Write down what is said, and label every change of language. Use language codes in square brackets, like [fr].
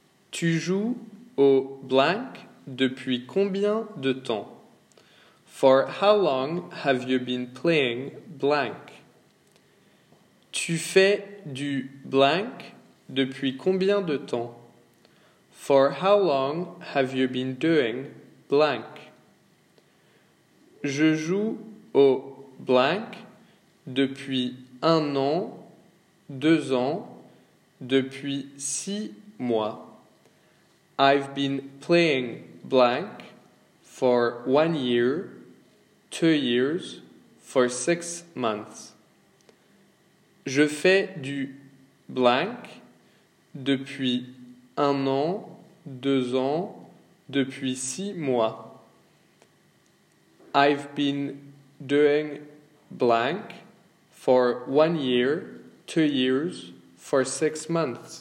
[fr] Tu joues au blank depuis combien de temps? [en] For how long have you been playing blank? [fr] Tu fais du blank depuis combien de temps? [en] For how long have you been doing blank? [fr] Je joue au blank depuis un an, deux ans, depuis six mois. [en] I've been playing blank for 1 year, 2 years, for 6 months. [fr] Je fais du blank depuis un an, deux ans, depuis 6 mois. [en] I've been doing blank for 1 year, 2 years, for 6 months.